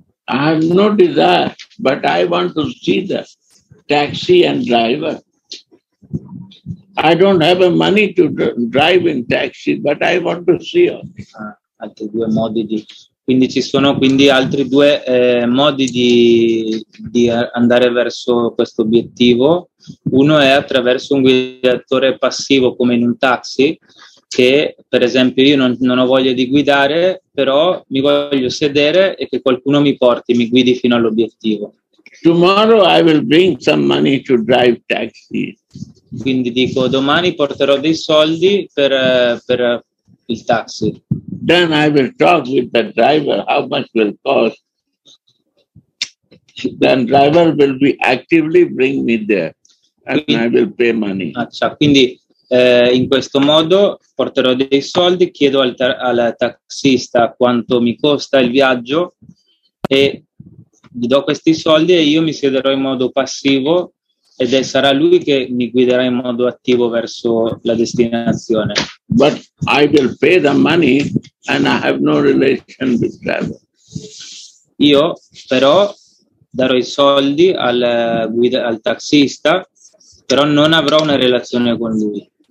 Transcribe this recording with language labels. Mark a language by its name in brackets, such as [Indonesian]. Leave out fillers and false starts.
[English] I have no desire, but I want to see the taxi and driver. I don't have a money to drive in taxi, but I want to see her. [Italian] Altri due modi di, quindi ci sono quindi altri due modi di andare verso questo obiettivo. Uno è attraverso un guidatore passivo come in un taxi, che per esempio io non ho voglia di guidare, però mi voglio sedere e che qualcuno mi porti, mi guidi fino all'obiettivo. [English] Tomorrow I will bring some money to drive taxi. [Italian] Quindi dico, domani porterò dei soldi per il taxi. [English] Then I will talk with the driver how much will cost. Then driver will be actively bring me there and [Italian] quindi, [English] I will pay money. [Italian] Accia, quindi in questo modo porterò dei soldi, chiedo al taxista quanto mi costa il viaggio e gli do questi soldi e io mi siederò in modo passivo ed sarà lui che mi guiderà in modo attivo verso la destinazione. [English] But I will pay the money and I have no relation with driver. [Italian] Io però darò i soldi al taxista, però non avrò una relazione con lui.